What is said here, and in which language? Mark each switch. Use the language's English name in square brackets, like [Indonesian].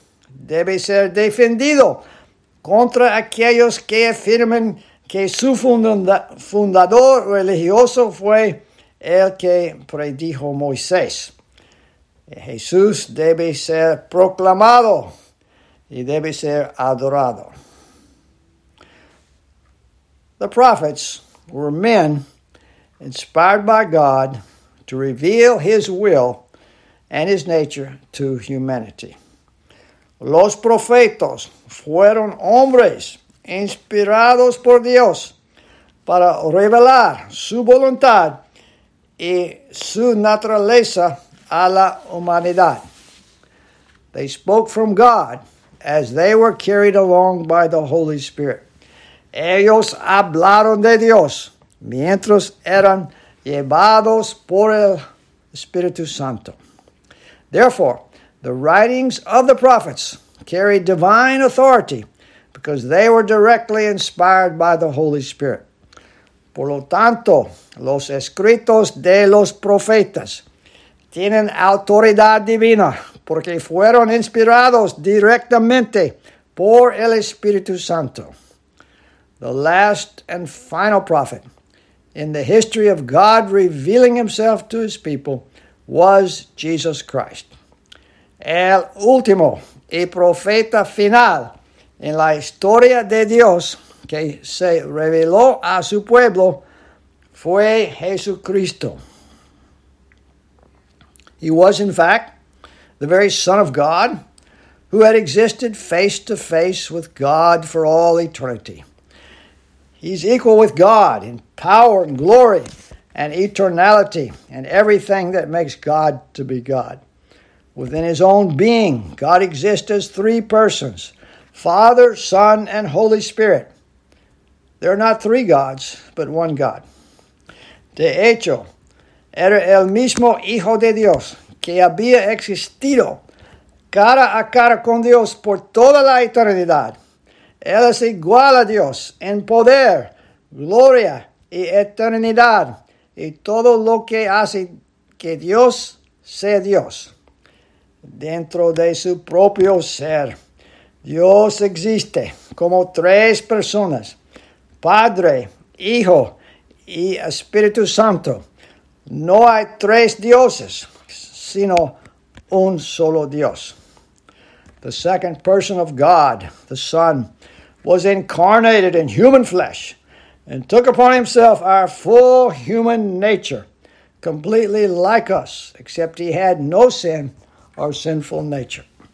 [Spanish] Debe ser defendido contra aquellos que afirman que su fundador religioso fue el que predijo Moisés. Jesús debe ser proclamado y debe ser adorado. [English] The prophets were men inspired by God to reveal his will and his nature to humanity. [Spanish] Los profetas fueron hombres inspirados por Dios para revelar su voluntad y su naturaleza a la humanidad. [English] They spoke from God as they were carried along by the Holy Spirit. [Spanish] Ellos hablaron de Dios mientras eran llevados por el Espíritu Santo. [English] Therefore, the writings of the prophets carry divine authority because they were directly inspired by the Holy Spirit. [Spanish] Por lo tanto, los escritos de los profetas tienen autoridad divina porque fueron inspirados directamente por el Espíritu Santo. [English] The last and final prophet in the history of God revealing himself to his people was Jesus Christ. [Spanish] El último y profeta final en la historia de Dios que se reveló a su pueblo fue Jesucristo. [English] He was, in fact, the very Son of God who had existed face to face with God for all eternity. He's equal with God in power and glory and eternality and everything that makes God to be God. Within his own being, God exists as three persons, Father, Son, and Holy Spirit. There are not three gods, but one God. [Spanish] De hecho, era el mismo Hijo de Dios que había existido cara a cara con Dios por toda la eternidad. Él es igual a Dios en poder, gloria y eternidad y todo lo que hace que Dios sea Dios. Dentro de su propio ser, Dios existe como tres personas, Padre, Hijo y Espíritu Santo. No hay tres dioses, sino un solo Dios. [English] The second person of God, the Son, was incarnated in human flesh and took upon himself our full human nature, completely like us, except he had no sin or sinful nature.